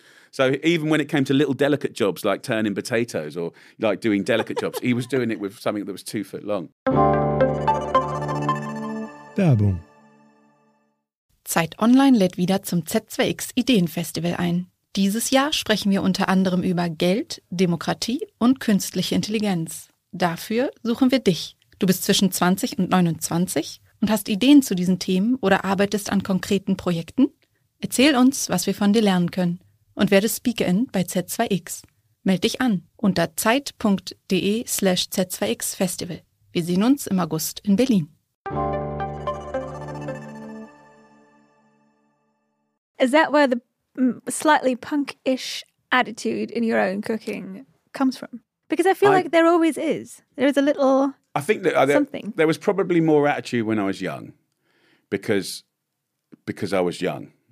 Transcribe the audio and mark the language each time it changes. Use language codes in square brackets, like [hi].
[en] So even when it came to little delicate jobs, like turning potatoes or like doing delicate jobs, he was doing it with something that was 2 foot long. [de] Werbung. Zeit Online lädt wieder zum Z2X Ideenfestival ein. Dieses Jahr sprechen wir unter anderem über Geld, Demokratie und künstliche Intelligenz. Dafür suchen wir dich. Du bist zwischen 20 und 29 und hast Ideen zu diesen Themen oder arbeitest an konkreten Projekten? Erzähl uns, was wir von dir lernen können und werde Speakerin bei Z2X. Meld dich an unter zeit.de/Z2X Festival. Wir sehen uns im August in Berlin. [en] Is that where the slightly punk-ish attitude in your own cooking comes from? Because I feel like there always is. There is a little I think that, something. There was probably more attitude when I was young because I was young.